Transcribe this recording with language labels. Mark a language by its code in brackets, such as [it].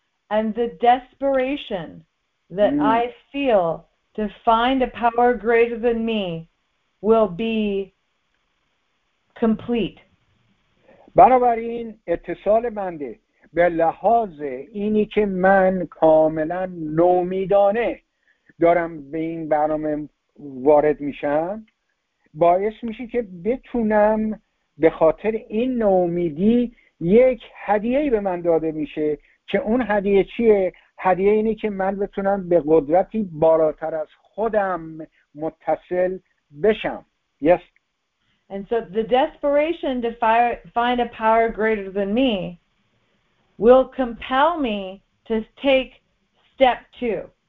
[en] And the desperation that I feel to find a power greater than me will be complete. [fa] بنابراین اتصال منده به لحاظ اینی که من کاملا نومیدانه دارم به این برنامه وارد میشم باعث میشه که بتونم به خاطر این نومیدی یک هدیهی به من داده میشه که اون هدیه چیه؟ هدیه اینه که من بتونم به قدرتی بالاتر از خودم متصل بشم. [en] Yes. And so the desperation to find a power greater than me will compel me to take step 2.